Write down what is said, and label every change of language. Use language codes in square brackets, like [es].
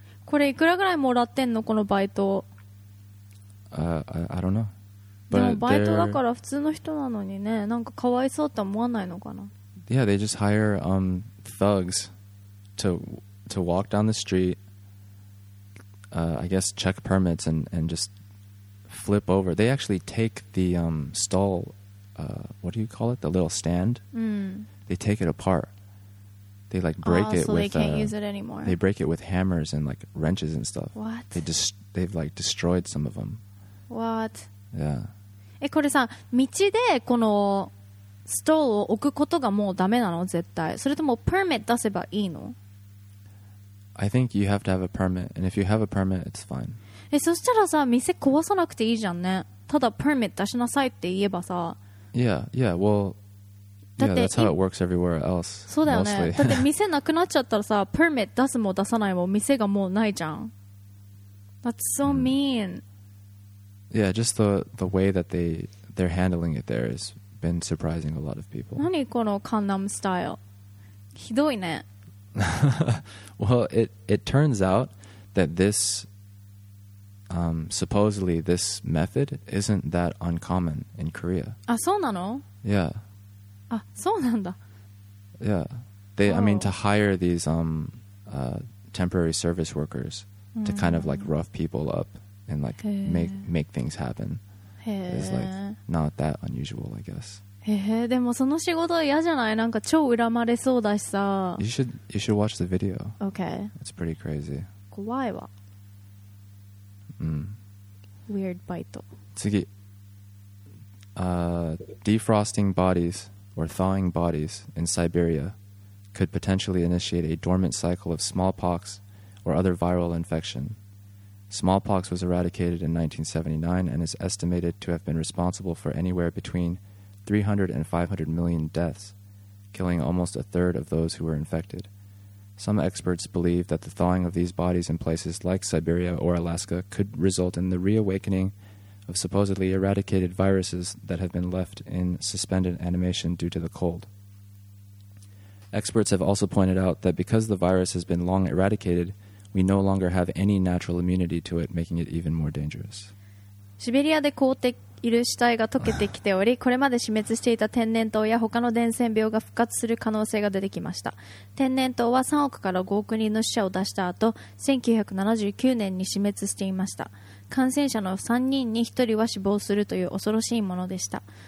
[ja] これいくらぐらいもらってんのこのバイト? [en] I don't know. [ja] But、でもバイトだから普通の人なのにね、なんかかわいそうって思わないのかな。 [en] Yeah, they just hire thugs to walk down the street、I guess check permits and just flip over. They actually take the stall、what do you call it? The little stand、They take it apart. They like break it so with they can't use it anymore. They break it with hammers and like wrenches and stuff. What? They've like destroyed some of them. What? Yeah. [ja] え、これさ、道でこのストールを置くことがもうダメなの絶対。それともパーメット出せばいいの? [en] I think you have to have a permit. And if you have a permit, it's fine. [ja] え、そしたらさ、店壊さなくていいじゃんね。ただパーメット出しなさいって言えばさ。 [en] Yeah, yeah, well, yeah, that's how it works everywhere else. [ja] そうだよね。だって店なくなっちゃったらさ、パーメット出すも出さないも店がもうないじゃん。 [en] That's so mean. Yeah, just the way that they're handling it there has been surprising a lot of people. [ja] 何このカンナムスタイル? ひどいね。 [en] Well, it turns out that this, supposedly this method isn't that uncommon in Korea. [ja] あ、そうなの? [en] Yeah. [ja] あ、そうなんだ。 [en] Yeah. I mean, to hire these temporary service workers to kind of like rough people up. And like make things happen is like not that unusual, I guess. [ja] でもその仕事嫌じゃない？なんか超恨まれそうだしさ。 [en] You should watch the video. Okay. It's pretty crazy. [ja] 怖いわ。うん。 [en] Weird bite. 次。Defrosting bodies or thawing bodies in Siberia could potentially initiate a dormant cycle of smallpox or other viral infection. Smallpox was eradicated in 1979 and is estimated to have been responsible for anywhere between 300 and 500 million deaths, killing almost a third of those who were infected. Some experts believe that the thawing of these bodies in places like Siberia or Alaska could result in the reawakening of supposedly eradicated viruses that have been left in suspended animation due to the cold. Experts have also pointed out that because the virus has been long eradicated, we no longer have any natural immunity to it, making it even more dangerous. [ja] Siberia で凍っている死体が溶けてきており、これまで死滅していた天然痘や他の伝染病が復活する可能性が出てきました。天然痘は3億から5億人の死者を出した後、1979年に死滅していました。感染者の3人に1人は死亡するという恐ろしいものでした。